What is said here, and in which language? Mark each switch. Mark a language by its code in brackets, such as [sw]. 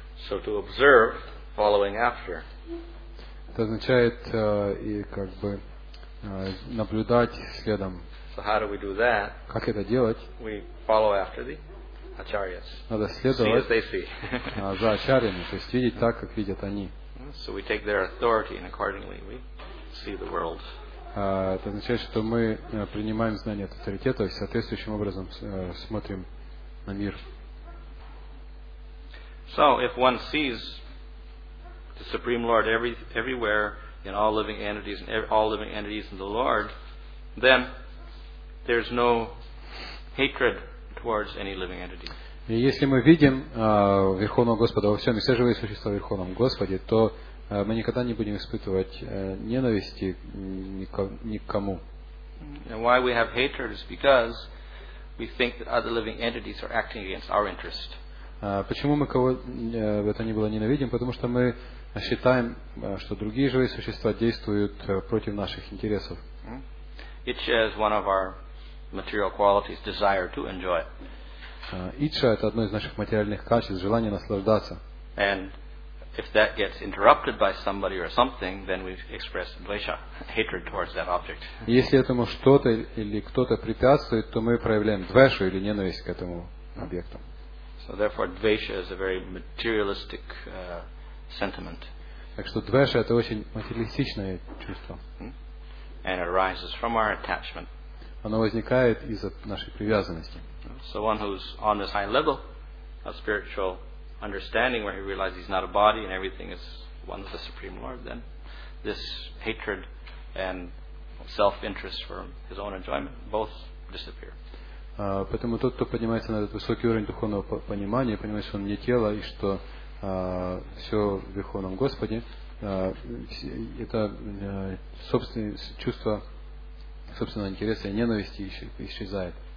[en] So to observe, following after. [ru] Это означает и как бы наблюдать следом. [en] So how do we do that? [ru] Как это делать? [en] We follow after the acharyas. [ru] Надо следовать. [en] See as they see. [ru] За ачарьями, то есть видеть так, как видят они. [en] So we take their authority and accordingly we see the world. [ru] Это означает, что мы принимаем знания от авторитета и соответствующим образом смотрим на мир. [en] So, if one sees the Supreme Lord everywhere in all living entities and all living entities in the Lord, then there's no hatred towards any living entity. [ru] И если мы видим Верховного Господа во всем, и все живые существа в Верховном Господе, то мы никогда не будем испытывать ненависти никому. [en] And why we have hatred is because we think that other living entities are acting against our interest. [ru] Почему мы кого в это ни было ненавидим? Потому что мы считаем, что другие живые существа действуют против наших интересов. [en] Ichha is one of our material qualities, desire to enjoy. [ru] Ichha — это одно из наших материальных качеств, желание наслаждаться. [en] And if that gets interrupted by somebody or something, then we express dvesha, hatred towards that object. [ru] Если этому что-то или кто-то препятствует, то мы проявляем двешу или ненависть к этому объекту. [en] So therefore, dvesha is a very materialistic sentiment. [ru] Так что двеша — это очень материалистичное чувство. [en] And it arises from our attachment. [ru] Оно возникает из-за нашей привязанности. [en] So one who's on this high level of spiritual understanding, where he realizes he's not a body and everything is one with the Supreme Lord, then this hatred and self-interest for his own enjoyment both disappear. [ru] Поэтому тот, кто поднимается на этот высокий уровень духовного понимания, понимает, что он не тело и что все в Верховном Господе, это собственное чувство собственного интереса и ненависти исчезает.